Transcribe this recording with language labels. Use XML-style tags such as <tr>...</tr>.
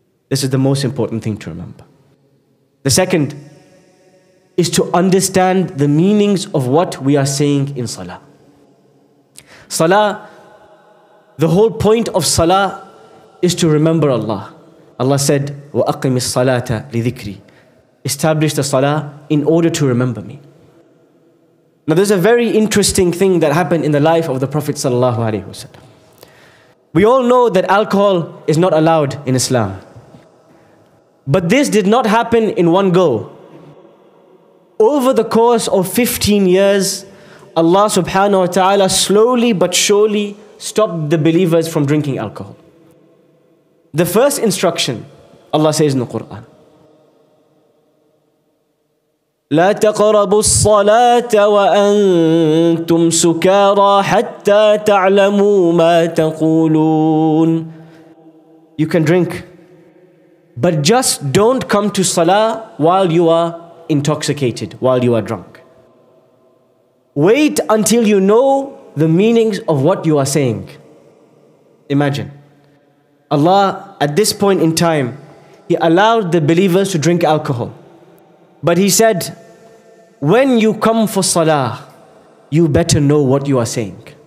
<en>This is the most important thing to remember. The second is to understand the meanings of what we are saying in Salah. Salah The whole point of salah is to remember Allah. Allah said,</en> <ar>وَأَقِمِ الصَّلَاةَ لِذِكْرِي.</ar> <en>Establish the salah in order to remember me. Now there's a very interesting thing that happened in the life of the Prophet sallallahu alaihi wasallam. We all know that alcohol is not allowed in Islam. But this did not happen in one go. Over the course of 15 years, Allah subhanahu wa ta'ala slowly but surely stopped the believers from drinking alcohol. The first instruction, Allah says in the Quran,</en> <ar>لا تقربوا الصلاة وأنتم سكارى حتى تعلموا ما تقولون.</ar> <en>You can drink, but just don't come to salah while you are intoxicated, while you are drunk. Wait until you know the meanings of what you are saying. Imagine, Allah at this point in time, He allowed the believers to drink alcohol, but He said, when you come for salah, you better know what you are saying.</en>